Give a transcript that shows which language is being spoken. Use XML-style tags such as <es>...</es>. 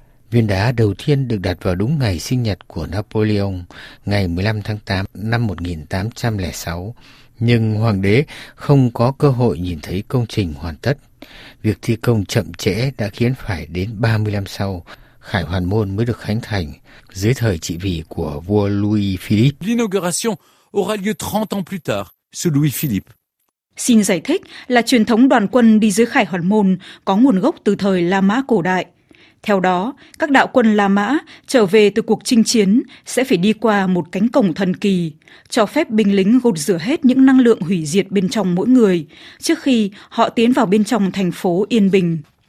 <vi>Viên đá đầu tiên được đặt vào đúng ngày sinh nhật của Napoleon, ngày 15 tháng 8 năm 1806. Nhưng hoàng đế không có cơ hội nhìn thấy công trình hoàn tất. Việc thi công chậm trễ đã khiến phải đến 30 năm sau, khải hoàn môn mới được khánh thành dưới thời trị vì của vua Louis Philippe.</vi> <fr>L'inauguration aura lieu 30 ans plus tard, sous Louis Philippe.</fr> <vi>Xin giải thích là truyền thống đoàn quân đi dưới khải hoàn môn có nguồn gốc từ thời La Mã cổ đại. Theo đó, các đạo quân La Mã trở về từ cuộc chinh chiến sẽ phải đi qua một cánh cổng thần kỳ, cho phép binh lính gột rửa hết những năng lượng hủy diệt bên trong mỗi người trước khi họ tiến vào bên trong thành phố yên bình.</vi>